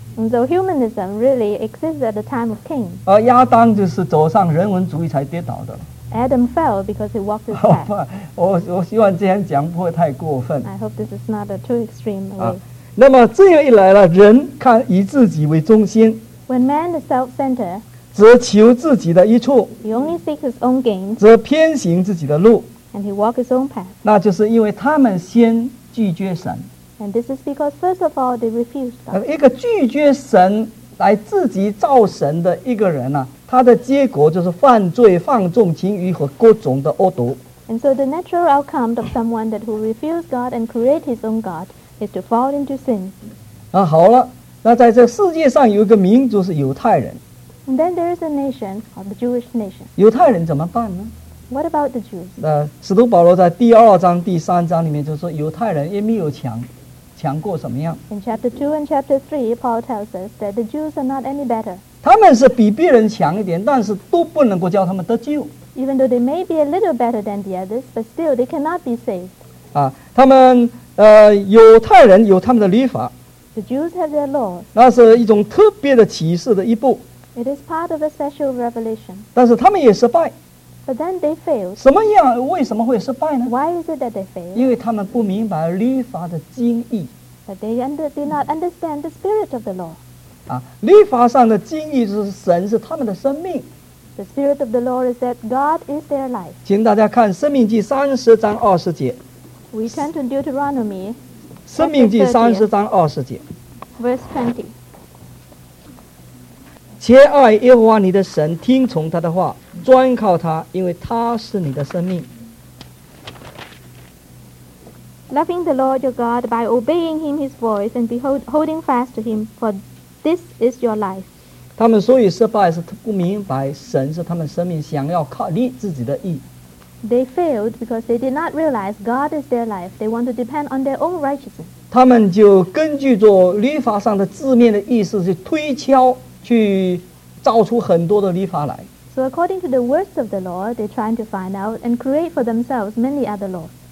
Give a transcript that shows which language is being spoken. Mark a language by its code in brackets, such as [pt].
[en] And so humanism really exists at the time of Cain. [zh] 而亚当就是走上人文主义才跌倒的。 [en] Adam fell because he walked his path. [zh] 我希望这样讲不会太过分。 [en] I hope this is not a too extreme way. [zh] 那么这样一来了，人看以自己为中心。 [en] When man is self-centered, [zh] 只求自己的益处。 [en] He only seeks his own gain. [zh] 只偏行自己的路。 [en] And he walks his own path. [zh] 那就是因为他们先拒绝神。 [en] And this is because first of all they refused God. [zh] 一个拒绝神来自己造神的一个人呢、啊？他的结果就是犯罪、放纵情欲和各种的恶毒。 [en] And so the natural outcome of someone that who refuses God and create his own God is to fall into sin. [zh] 啊，好了，那在这世界上有一个民族是犹太人。 [en] And then there is a nation of the Jewish nation. [zh] 犹太人怎么办呢 [en] ？What about the Jews？ [zh] 使徒保罗在第二章、第三章里面就说犹太人也没有强过什么样。 [en] In chapter 2 and chapter 3, Paul tells us that the Jews are not any better. [zh] 他们是比别人强一点，但是都不能够叫他们得救。 [en] Even though they may be a little better than the others, but still they cannot be saved. [zh] 啊，他们犹太人有他们的律法。 [en] The Jews have their laws. [zh] 那是一种特别的启示的一步。 [en] It is part of a special revelation. [zh] 但是他们也失败。 [en] But then they failed. [zh] 什么样？为什么会失败呢 [en] ？Why is it that they failed? [zh] 因为他们不明白律法的精义。 [en] But they did not understand the spirit of the law. [zh] 啊，律法上的精义是神，是他们的生命。 [en] The spirit of the Lord is that God is their life. [zh] 请大家看《生命记》三十章二十节。 [en] We turn to Deuteronomy. [zh] 生命记三十章二十节。 [en] Verse 20. [zh] 且爱耶和华你的神，听从他的话，专靠他，因为他是你的生命。 [en] Loving the Lord your God by obeying him his voice and behold holding fast to him for This is your life. [zh] 他们所以失败是不明白神是他们生命，想要靠立自己的义。 [en] They failed because they did not realize God is their life. They want to depend on their own righteousness. [zh] 他们就根据着律法上的字面的意思去推敲，去造出很多的律法来。 [en] So according to the words of the law, they're trying to find out and create for themselves many other laws.